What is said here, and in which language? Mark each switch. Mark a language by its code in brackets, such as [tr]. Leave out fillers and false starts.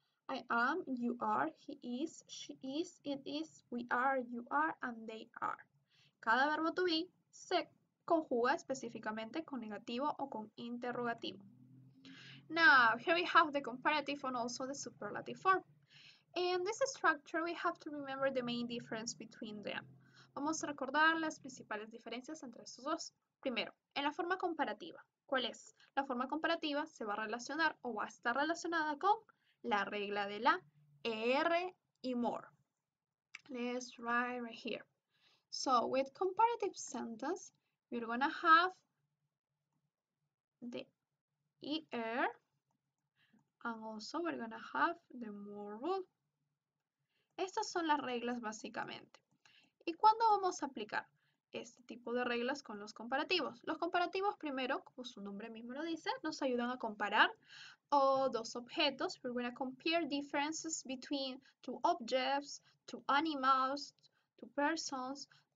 [en] I am, you are, he is, she is, it is, we are, you are, and they are. [es] Cada verbo to be se conjuga específicamente con negativo o con interrogativo. [en] Now, here we have the comparative and also the superlative form. In this structure, we have to remember the main difference between them. [es] Vamos a recordar las principales diferencias entre estos dos. Primero, en la forma comparativa. ¿Cuál es? La forma comparativa se va a relacionar o va a estar relacionada con la regla de la ER y more. [en] Let's write right here. So, with comparative sentence, you're gonna have the ER and also we're gonna have the more rule. [es] Estas son las reglas básicamente. ¿Y cuándo vamos a aplicar este tipo de reglas con los comparativos? Los comparativos primero, como su nombre mismo lo dice, nos ayudan a comparar dos objetos. [en] We're going to compare differences between two objects, two animals, two persons.